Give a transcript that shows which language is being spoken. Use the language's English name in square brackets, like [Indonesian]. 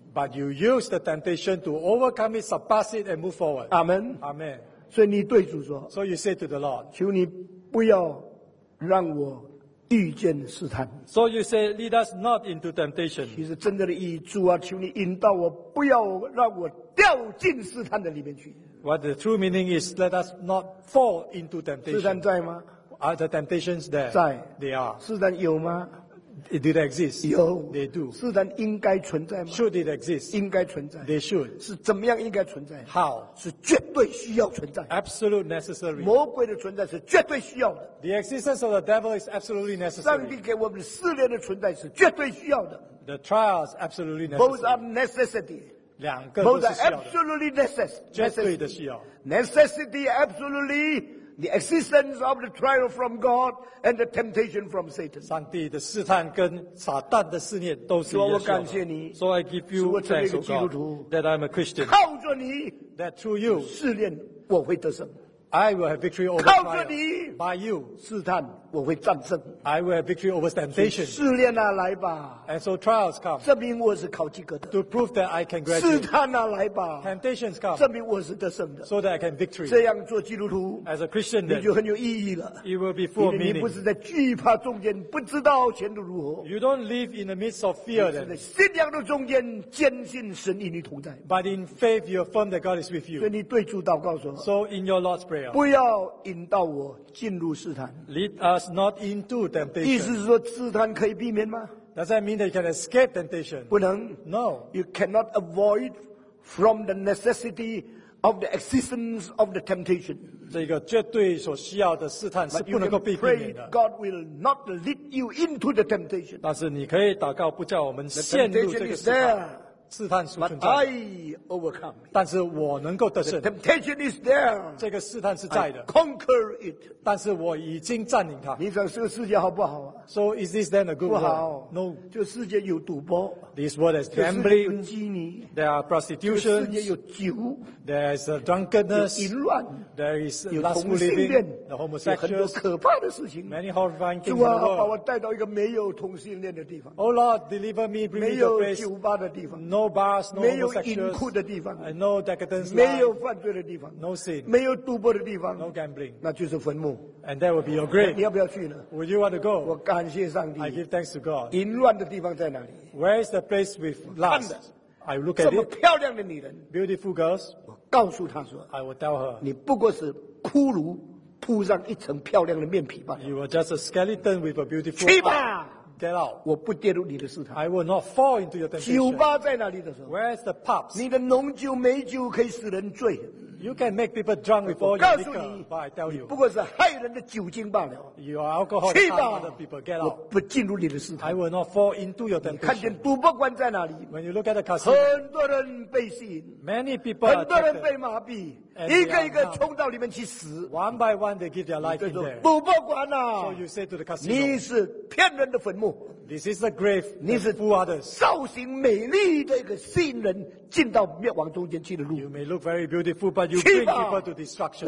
[English] but you use the temptation to overcome it, surpass it and move forward. Amen. Amen. [Chinese] 所以你对主说 [English] so you say to the Lord, [Chinese] 求你不要让我遇见试探 [English] So you say, lead us not into temptation. [Chinese] 其实真正的意义，主啊，求你引导我，不要让我掉进试探的里面去。 [English] What the true meaning is, let us not fall into temptation. [Chinese] 试探在吗 [English] ？Are the temptations there? [Chinese] 在。 [English] They are. [Chinese] 试探有吗 [English] ？Do they exist? [Chinese] 有。 [English] They do. [Chinese] 试探应该存在吗 [English] ？Should it exist? [Chinese] 应该存在。 [English] They should. [Chinese] 是怎么样应该存在 [English] ？How? [Chinese] 是绝对需要存在。 [English] Absolute necessary. [Chinese] 魔鬼的存在是绝对需要的。 [English] The existence of the devil is absolutely necessary. [Chinese] 上帝给我们的试炼的存在是绝对需要的。 [English] The trials absolutely necessary. Both are necessity. [Chinese] 两个都是需要的。 [English] Both are absolutely necessary. [Chinese] 绝对的需要。 [English] Necessity absolutely the existence of the trial from God and the temptation from Satan. [Chinese] 上帝的试探跟撒旦的试炼都是需要的。主，我感谢你。 [English] So I give you thanks, O God, that I'm a Christian. [Chinese] 靠着你。 [English] That through you. [Chinese] 试炼我会得胜。 [English] I will have victory over trial. [Chinese] 靠着你 [English] ，by you， [Chinese] 试探我会战胜。 [English] I will have victory over temptation. [Chinese] 试炼啊，来吧。 [English] And so trials come. [Chinese] 证明我是考及格的。 [English] To prove that I can graduate. [Chinese] 试探啊，来吧。 [English] Temptations come. [Chinese] 证明我是得胜的。 [English] So that I can victory. [Chinese] 这样做基督徒 [English] ，as a Christian， [Chinese] 你就很有意义了。 [English] It will be full of meaning. [Chinese] 你不是在惧怕中间不知道前途如何。 [English] You don't live in the midst of fear. [Chinese] 你是在信仰的中间坚信神与你同在。 [English] But in faith, you affirm that God is with you. [Chinese] 所以你对主祷告说。 [English] So in your Lord's prayer. [Chinese] 不要引导我进入试探。 [English] Lead us not into temptation. [Chinese] 意思是说试探可以避免吗 [English] ？Does that mean that you can escape temptation? [Chinese] 不能。 [English] No. You cannot avoid from the necessity of the existence of the temptation. [Chinese] 这个绝对所需要的试探是不能够被避免的。 [English] But you can pray God will not lead you into the temptation. [Chinese] 但是你可以祷告不叫我们陷入这个试探。 [English] The temptation is there. [Chinese] 试探所存在 [English] I overcome. [Chinese] 但是我能够得胜。 [English] The temptation is there. [Chinese] 这个试探是在的。 [English] I conquer it. [Chinese] 但是我已经占领它。你想这个世界好不好啊 [English] ？So is this then a good world? [Chinese] 不好。 [English] No. [Chinese] 这世界有赌博。 [English] This world is gambling. [Chinese] 这世界有妓女。 [English] There are prostitution. [Chinese] 这世界有酒。 [English] There is a drunkenness. [Chinese] 有淫乱。 [English] There is lustful living. [Chinese] 有同性 [English] 恋。The homosexuals. [Chinese] 有很多可怕的事情。 [English] Many horrifying things in the [Chinese] world. 主啊，把我带到一个没有同性恋的地方。 [English] Oh Lord, deliver me, bring me to a place. [Chinese] 没有酒吧的地方。 [English] No bars, no [Chinese] 没有淫酷的地方 [English] no decadence [Chinese] 没有犯罪的地方 [English] no sin [Chinese] 没有赌博的地方 [English] no gambling [Chinese] 那就是坟墓 [English] and that will be your grave [Chinese] 你要不要去呢 [English] would you want to go [Chinese] 我感谢上帝 [English] I give thanks to God [Chinese] 淫乱的地方在哪里 [English] where is the place with lust I look at it [Chinese] 这么漂亮的女人 [English] beautiful girls [Chinese] 我告诉她说 [English] I will tell her [Chinese] 你不过是骷髅铺上一层漂亮的面皮罢了 [English] you are just a skeleton with a beautiful heart [Chinese] 去吧 [English] get out. [Chinese] 我不跌入你的试探。 [English] I will not fall into your temptation. [Chinese] 酒吧在哪里的时候 [English] ？Where's the pubs? [Chinese] 你的浓酒美酒可以使人醉。 [English] You can make people drunk with all your liquor. But I tell you, [Chinese] 不过是害人的酒精罢了。 [English] You are alcohol. [Chinese] 去吧。 [English] Get out. [Chinese] 我不进入你的试探。 [English] I will not fall into your temptation. [Chinese] 看见赌博馆在哪里 [English] ？When you look at the casino. [Chinese] 很多人被吸引。 [English] Many people are [Chinese] attracted. 很多人被麻痹。一个一个冲到里面去死。 [English] One by one, they give their life in there. [Chinese] 赌博馆啊 [English] ！So you say to the casino. [Chinese] 你是骗人的坟墓。 [English] This is a grave. [Chinese] 你是 [English] fool others. [Chinese] 造型美丽的一个吸引人进到灭亡中间去的路。 [English] You may look very beautiful, but you bring people to destruction.